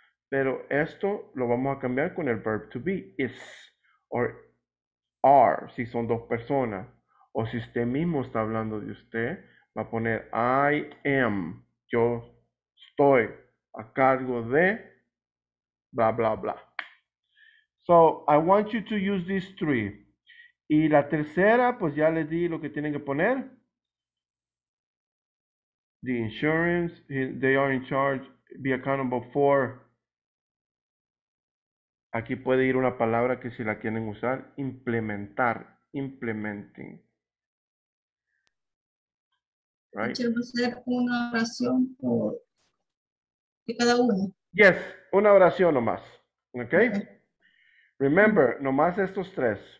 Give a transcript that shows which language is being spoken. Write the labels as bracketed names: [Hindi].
[Spanish] Pero esto lo vamos a cambiar con el verb to be. [English] Is or are, [Spanish] si son dos personas. O si usted mismo está hablando de usted, va a poner [English] I am. [Spanish] Yo estoy a cargo de bla, bla, bla. [English] So, I want you to use these three. [Spanish] Y la tercera, pues ya le di lo que tienen que poner. [English] The insurance, they are in charge, be accountable for. [Spanish] Aquí puede ir una palabra que si la quieren usar, implementar, implementing. Right? ¿Quieres hacer una oración de cada uno? Yes, una oración nomás. Okay? Remember, nomás estos tres.